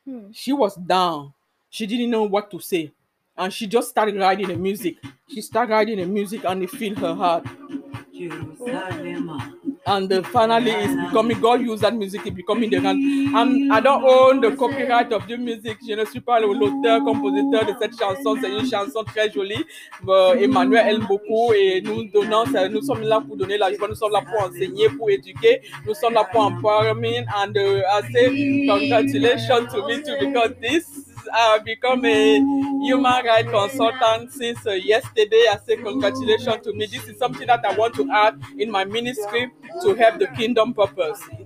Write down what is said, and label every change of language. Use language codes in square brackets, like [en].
[en] She was down. She didn't know what to say. And she just started writing the music. She started writing the music and it filled her heart. And finally, it's becoming, God used that music, it's becoming the hand. And I don't own the copyright of the music. [fr] Je ne suis pas l'auteur, compositeur de cette chanson. C'est une chanson très jolie. Emmanuel aime beaucoup et nous sommes là pour donner la joie. Nous sommes là pour enseigner, pour éduquer. Nous sommes là pour empowering. [en] And I say congratulations to me too, because this, I've become a human rights consultant since yesterday. I say congratulations to me. This is something that I want to add in my ministry to help the kingdom purpose.